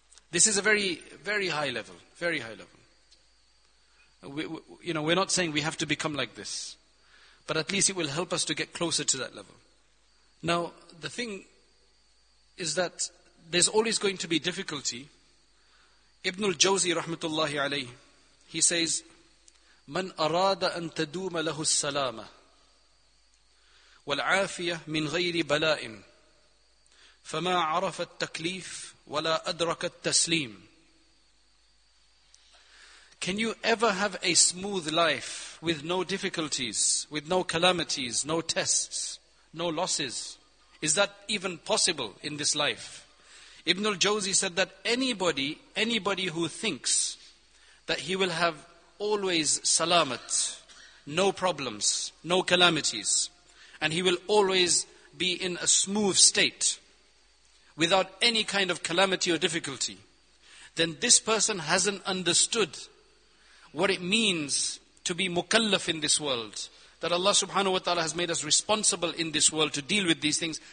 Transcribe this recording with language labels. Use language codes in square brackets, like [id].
[en] This is a very, very high level. Very high level. We're not saying we have to become like this. But at least it will help us to get closer to that level. Now, the thing is that there's always going to be difficulty. Ibn al-Jawzi, rahmatullahi alayhi, he says, [ar] مَنْ أَرَادَ أَن تَدُومَ لَهُ السَّلَامَةِ وَالْعَافِيَةِ مِنْ غَيْرِ بَلَاءٍ فَمَا عَرَفَ التَّكْلِيفِ وَلَا أَدْرَكَ التَّسْلِيمِ. [en] Can you ever have a smooth life with no difficulties, with no calamities, no tests, no losses? Is that even possible in this life? Ibn al-Jawzi said that anybody who thinks that he will have always salamat, no problems, no calamities, and he will always be in a smooth state, without any kind of calamity or difficulty, then this person hasn't understood what it means to be mukallaf in this world, that Allah subhanahu wa ta'ala has made us responsible in this world to deal with these things.